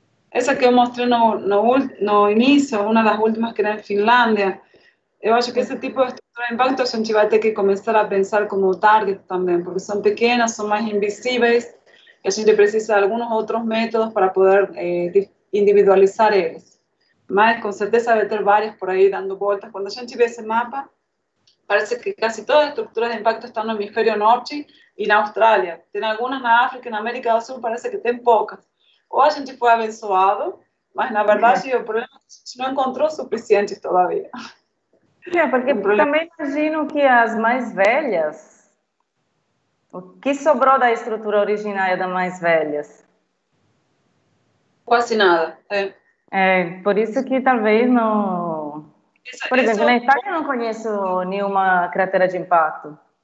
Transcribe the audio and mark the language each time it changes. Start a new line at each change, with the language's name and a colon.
Portuguese: Essa que eu mostrei no início, uma das últimas que era em Finlândia, eu acho que esse tipo de estrutura de impacto a gente vai ter que começar a pensar como target também, porque são pequenas, são mais invisíveis, e a gente precisa de alguns outros métodos para poder individualizar eles. Mas com certeza vai ter várias por aí dando voltas. Quando a gente vê esse mapa, parece que
Spanish: casi todas las estructuras de impacto están en el hemisferio norte y en Australia. Tiene algunas en África, en América del Sur parece que tienen pocas.
Portuguese: O a gente
Spanish: fue
Portuguese: abençoado, mas na verdade o problema
Spanish: es que
Portuguese: a gente
Spanish: no encontró suficientes todavía.
Portuguese: Porque
Spanish: Un problema.
Portuguese: também imagino que as mais velhas, o que sobrou da estrutura originária das mais velhas? Quase nada. É. É, por isso que talvez não. Por exemplo, na Itália eu não conheço nenhuma cratera de impacto.